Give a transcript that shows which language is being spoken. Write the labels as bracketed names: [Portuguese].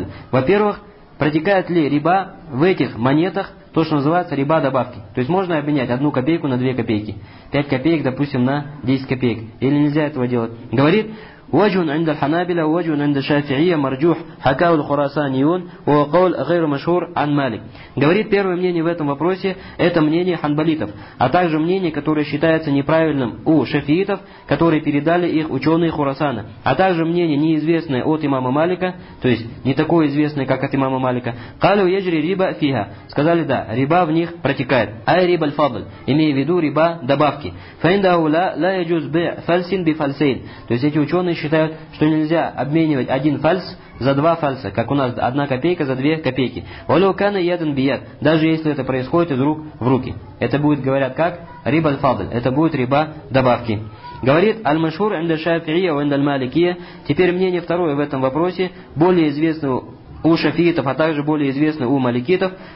[Russian] Во-первых, протекает ли риба в этих монетах, то, что называется риба добавки. То есть можно обменять одну копейку на две копейки. 5 копеек, допустим, на 10 копеек. Или нельзя этого делать. [Arabic] Говорит, وجه عند الحنابلة وجه عند الشافعية مرجوح حكاه الخراسانيون وقول غير مشهور عن مالك. [Russian] Говорит, первое мнение в этом вопросе это мнение ханбалитов, а также мнение, которое считается неправильным у шафиитов, которые передали их ученые Хурасана, а также мнение неизвестное от имама Малика, то есть не такое известное, как от имама Малика. [Arabic] قالوا يجري ربا فيها. [Russian] Сказали, да, риба в них протекает. [Arabic] أي ربا الفضل, [Russian] имея в виду риба добавки. [Arabic] فإن هؤلاء لا يجوز بيع فلس بفلسين. [Russian] То есть эти ученые считают, что нельзя обменивать один фальс за два фальса, как у нас одна копейка за две копейки. [Arabic] Олеукана ядан бият, [Russian] даже если это происходит из рук в руки. Это будет, говорят, как? Риба фадль. Это будет риба добавки. Говорит [Arabic] аль-машхур инда шафиия ва инда аль-маликия. [Russian] Теперь мнение второе в этом вопросе, более известное у шафиитов, а также более известное у маликитов.